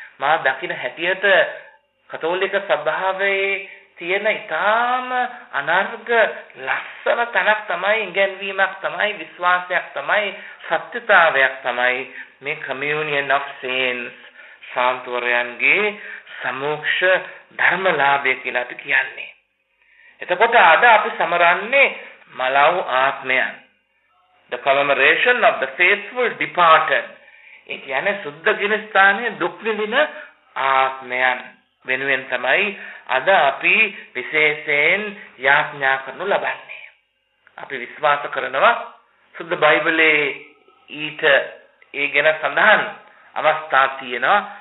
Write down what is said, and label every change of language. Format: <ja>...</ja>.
<si>මා දකින හැටියට කතෝලික සභාවේ තියෙන ඉතාම අනර්ග ලස්සන තැනක් තමයි ඉගැන්වීමක් තමයි විශ්වාසයක් තමයි සත්‍යතාවයක් තමයි මේ</si> <en>communion of saints</en> <si>සාන්තුවරයන්ගේ සමෝක්ෂ ධර්මලාභය කියලා අපි කියන්නේ. එතකොට අද අපි සමරන්නේ මලව් ආත්මයන්.</si> <en>The commemoration of the faithful departed.</en> <si>ඒ කියන්නේ සුද්ධ ගිනිස්ථානයේ දුක් විඳින ආත්මයන් වෙනුවෙන් තමයි අද අපි විශේෂයෙන් යාඥා කරනු ලබන්නේ. අපි විශ්වාස කරනවා සුද්ධ බයිබලයේ ඊට ඒ ගැන සඳහන් අවස්ථා තියෙනවා.</si>